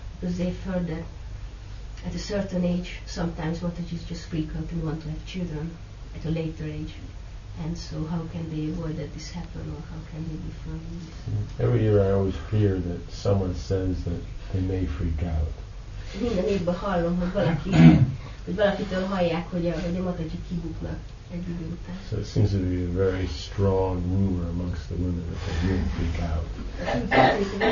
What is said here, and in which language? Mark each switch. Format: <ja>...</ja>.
<en>Because they've heard that at a certain age, sometimes Matajis just freak out and want to have children at a later age. And so how can they avoid that this happen, or how can they be firm in this? Every year I always fear that someone says that they may freak out.</en> <hu>Minden évben hallom, hogy valaki, hogy valakitől hallják, hogy a Mataji kibuknak.</hu> <en>So it seems to be a very strong rumor amongst the women that they didn't freak out.</en>